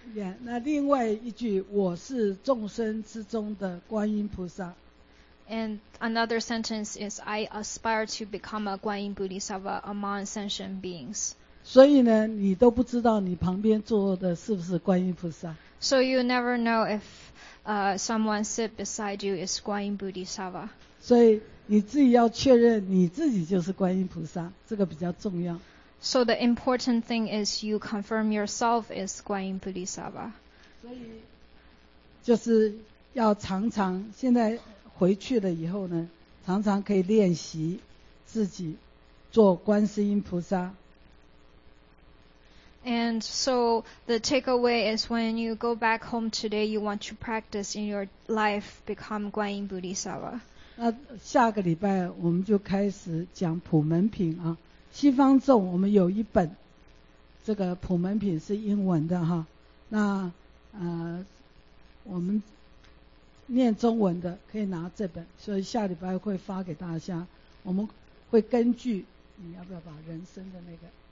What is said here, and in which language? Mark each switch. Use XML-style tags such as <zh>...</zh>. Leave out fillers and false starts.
<zh>Yeah, 那另外一句，我是众生之中的观音菩萨。</zh> <en>And another sentence is I aspire to become a Guanyin Bodhisattva among sentient beings.</en> <zh>所以呢，你都不知道你旁边坐的是不是观音菩萨。</zh> <en>So you never know if someone sit beside you is Guanyin Bodhisattva.</en> <zh>所以你自己要确认你自己就是观音菩萨，这个比较重要。</zh> <en>So the important thing is you confirm yourself is Guanyin Bodhisattva.</en> <zh>所以就是要常常，现在回去了以后呢，常常可以练习自己做观世音菩萨。</zh> <en>And so the takeaway is when you go back home today, you want to practice in your life become Guanyin Bodhisattva.</en> <zh>那下个礼拜我们就开始讲普门品啊。西方咒我们有一本，这个普门品是英文的哈，那我们念中文的可以拿这本，所以下礼拜会发给大家，我们会根据你要不要把人生的那个。</zh>